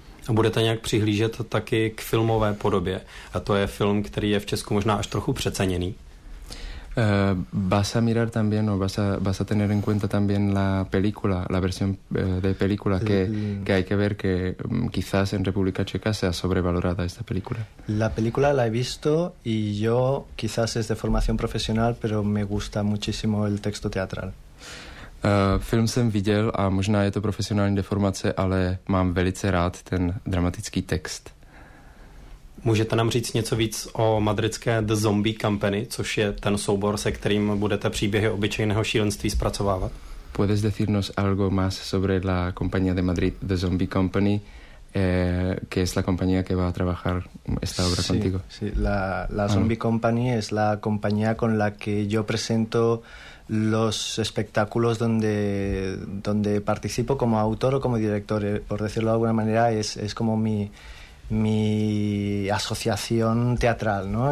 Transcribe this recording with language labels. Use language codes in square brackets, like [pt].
[cs] A budete nějak přihlížet taky k filmové podobě. A to je film, který je v Česku možná až trochu přeceněný. [es] Vas a mirar también, no, vas a tener en cuenta también la película, la versión de película que hay que ver, que quizás en República Checa sea sobrevalorada esta película. La película la he visto y yo quizás es de formación profesional, pero me gusta muchísimo el texto teatral. [cs] Film jsem viděl a možná je to profesionální deformace, ale mám velice rád ten dramatický text. Můžete nám říct něco víc o madridské The Zombie Company, což je ten soubor, se kterým budete příběhy Obyčejného šílenství zpracovávat? [es] Puedes decirnos algo más sobre la compañía de Madrid, The Zombie Company, que es la compañía que va a trabajar esta obra contigo. Sí, la Zombie Company es la compañía con la que yo presento los espectáculos donde participo como autor o como director, por decirlo de alguna manera, es como mi asociación teatral, ¿no?